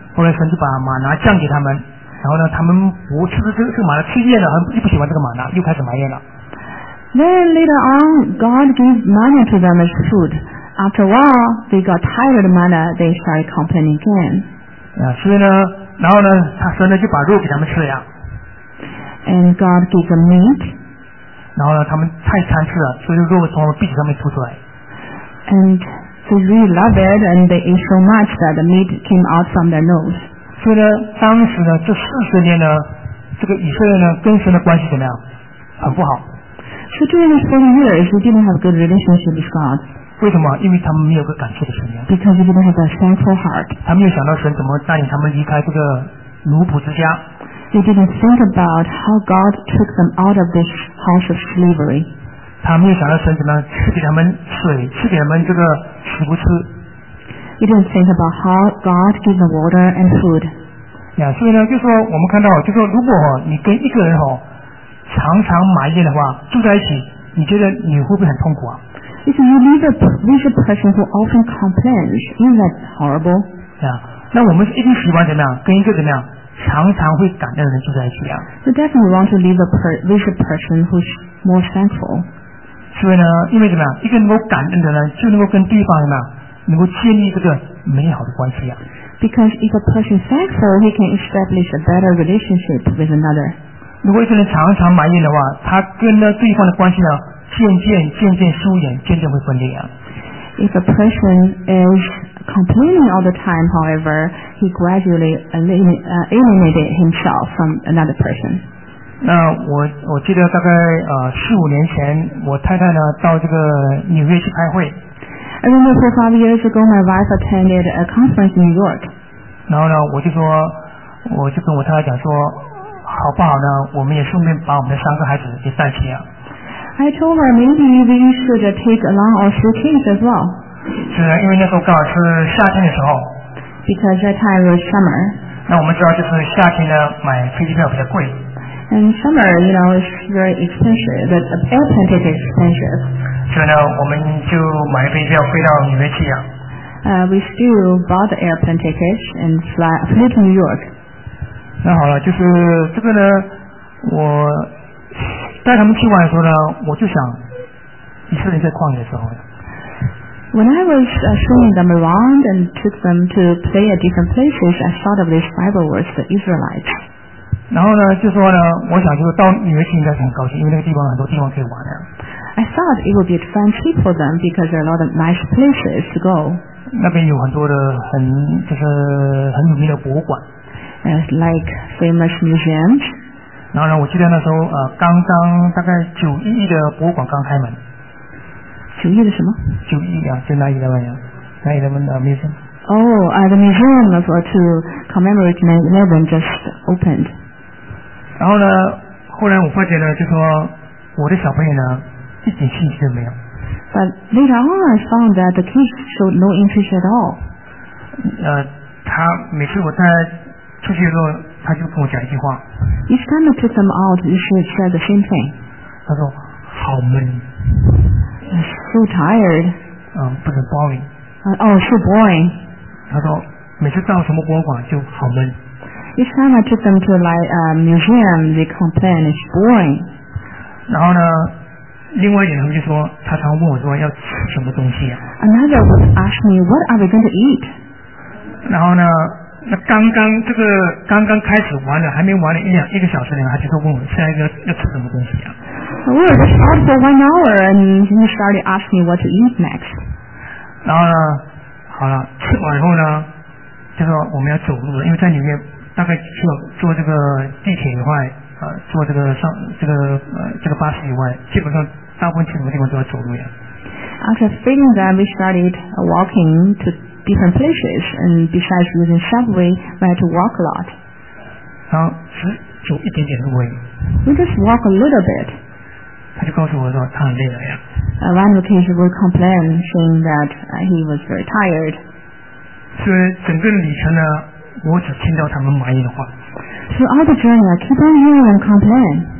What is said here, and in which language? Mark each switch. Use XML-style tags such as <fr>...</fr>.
<zh>后来神就把玛拿降给他们，然后呢，他们不吃这个玛拿，吃厌了，又不喜欢这个玛拿，又开始埋怨了。</zh> <en>Then later on, God gave manna to them as food. After a while, they got tired of manna. They started complaining again.</en> <zh>所以呢，然后呢，他神呢就把肉给他们吃了呀。</zh> <en>And God gave them meat.</en> <zh>然后呢，他们太贪吃了，所以肉从鼻子上面吐出来。</zh> <en>And they really love it, and they eat so much that the meat came out from their nose.</en> <zh>所以呢，当时呢，这40年呢，这个以色列呢，跟神的关系怎么样？很不好。</zh> <en>So during these 40 years, they didn't have a good relationship with God.</en> <zh>为什么？因为他们没有个感谢的心灵。</zh> <en>Because they didn't have a thankful heart.</en> <zh>他们又想到神怎么带领他们离开这个奴仆之家。</zh> <en>They didn't think about how God took them out of this house of slavery.</en> <zh>他们又想到神怎么赐给他们水，赐给他们这个食物吃。</zh> <en>They didn't think about how God gave them water and food.</en> <zh>所以呢，就说我们看到，就说如果你跟一个人常常埋怨的话，住在一起，你觉得你会不会很痛苦啊？</zh> <en>If you live with a person who often complains, isn't that horrible?</en> <zh>那我们一定喜欢怎么样，跟一个怎么样？常常会感恩的人住在一起啊。</zh> <en>So definitely want to live with a person who's more thankful.</en> <zh>所以呢，因为怎么样，一个能够感恩的人，就能够跟对方什么，能够建立这个美好的关系啊。</zh> <en>Because if a person is thankful, he can establish a better relationship with another.</en> <zh>如果一个人常常埋怨的话，他跟那对方的关系呢，渐渐疏远，渐渐会分裂啊。</zh> <en>If a person is complaining all the time, however, he gradually alienated himself from another person.</en> <zh>那我记得大概4-5年前，我太太呢到这个纽约去开会。</zh> <en>I remember four or five years ago, my wife attended a conference in New York.</en> <zh>然后呢，我就跟我太太讲说，好不好呢？我们也顺便把我们的三个孩子也带去啊。</zh> <en>I told her maybe we should take along our suitcase as well.</en> <zh>是因为那时候刚好是夏天的时候。</zh> <en>Because that time was summer.</en> <zh>那我们知道就是夏天呢，买飞机票比较贵。</zh> <en>And summer, you know, is very expensive. The airplane ticket is expensive.</en> <zh>所以呢，我们就买飞机票飞到纽约去啊。</zh> <en>We still bought the airplane tickets and flew to New York.</en> <zh>那好了，就是这个呢，我。带他们去玩的时候呢，我就想，以色列在旷野的时候。</zh> <en>When I was showing them around and took them to play at different places, I thought of these Bible words, the Israelites.</en> <zh>然后呢，就说呢，我想就是到纽约去应该是很高兴，因为那个地方很多地方可以玩的。</zh> <en>I thought it would be a fun trip for them because there are a lot of nice places to go.</en> <zh>那边有很多的就是很有名的博物馆。</zh> <en>Like famous museums.</en> <zh>然后呢，我记得那时候刚刚大概911的博物馆刚开门。 911的什么？ 911啊，就911呀，911的 museum。</zh> <en>The museum for to commemorate 911 just opened。</en> <zh>然后呢，后来我发觉呢，就说我的小朋友呢一点兴趣都没有。</zh> <en>But later on, I found that the kids showed no interest at all。</en> <zh>他每次我带出去的时候，他就跟我讲一句话。</zh> <en>Each time I took them out, he should say the same thing。</en> <zh>他说好闷。</zh> <en>So tired。</en> <zh>不能 boring。</zh> <en>So boring。</en> <zh>他说每次到什么博物馆就好闷。</zh> <en>Each time I took them to museum, they complain it's boring。</en> <zh>然后呢，另外一点他们就说，他常问我说要吃什么东西啊。</zh> <en>Another would ask me, what are we going to eat?</en> <zh>然后呢，那刚刚这个刚刚开始玩了，还没玩了一个小时呢，他就说问我下一个要吃什么东西啊。</zh> <en>We were just out for 1 hour and he started asking me what to eat next.</en> <zh>然后呢，好了，吃完以后呢，就说我们要走路了，因为在里面大概坐这个地铁以外，坐这个上这个这个巴士以外，基本上大部分去什么地方都要走路呀。</zh> <en>After feeling that, we started walking to different places, and besides using subway, we had to walk a lot.</en> <zh>然后只走一点点路而已。</zh> <en>We just walk a little bit.</en> <zh>他就告诉我说他很累了呀。</zh> <en>One of the kids would complain, saying that he was very tired.</en> <zh>所以整个旅程呢，我只听到他们埋怨的话。</zh> <en>Throughout the journey, I keep on hearing them complain.</en>